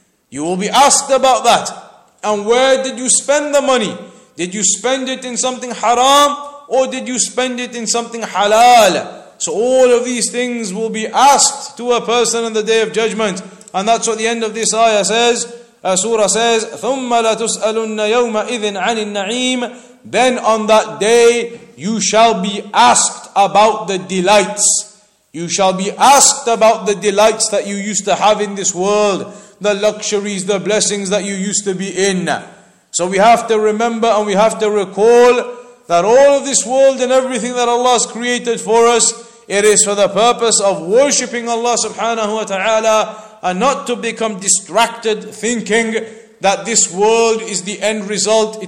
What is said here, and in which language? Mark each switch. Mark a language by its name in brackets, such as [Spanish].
[English] You will be asked about that. And where did you spend the money? Did you spend it in something haram? Or did you spend it in something halal? So all of these things will be asked to a person on the day of judgment. And that's what the end of this ayah says. A surah says, [Arabic] ثُمَّ لَتُسْأَلُنَّ يَوْمَ إِذٍ عَنِ النَّعِيمِ. [English] Then on that day, you shall be asked about the delights. You shall be asked about the delights that you used to have in this world. The luxuries, the blessings that you used to be in. So we have to remember and we have to recall that all of this world and everything that Allah has created for us, it is for the purpose of worshipping Allah subhanahu wa ta'ala, and not to become distracted thinking that this world is the end result.